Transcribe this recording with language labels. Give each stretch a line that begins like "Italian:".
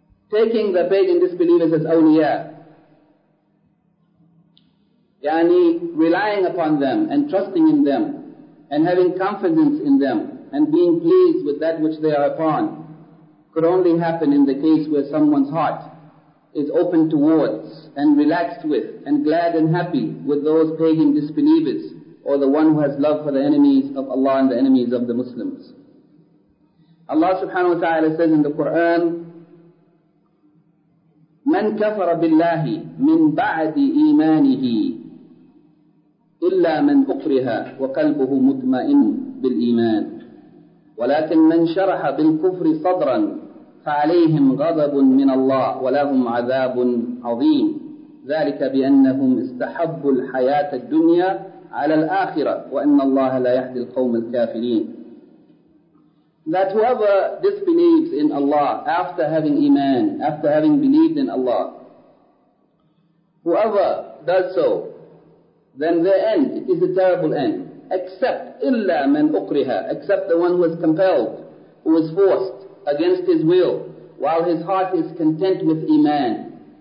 English: Taking the pagan disbelievers as awliya, yani, relying upon them and trusting in them and having confidence in them and being pleased with that which they are upon, could only happen in the case where someone's heart is open towards and relaxed with and glad and happy with those pagan disbelievers or the one who has love for the enemies of Allah and the enemies of the Muslims. Allah subhanahu wa ta'ala says in the Quran,
Arabic: مَنْ كَفَرَ بِاللَّهِ مِنْ بَعْدِ إِيمَانِهِ إِلَّا مَنْ أُكْرِهَا وَقَلْبُهُ مُتْمَئِنٌ بِالْإِيمَانِ ولكن من شرح بالكفر صدرا فعليهم غضب من الله ولهم عذاب عظيم ذلك بأنهم استحبوا الحياة الدنيا على الآخرة وأن الله لا يهدي القوم الكافرين.
English: That whoever disbelieves in Allah after having iman, after having believed in Allah, whoever does so, then their end, it is a terrible end. Except
Arabic: illa man ukriha,
English: except the one who is compelled, who is forced against his will, while his heart is content with iman.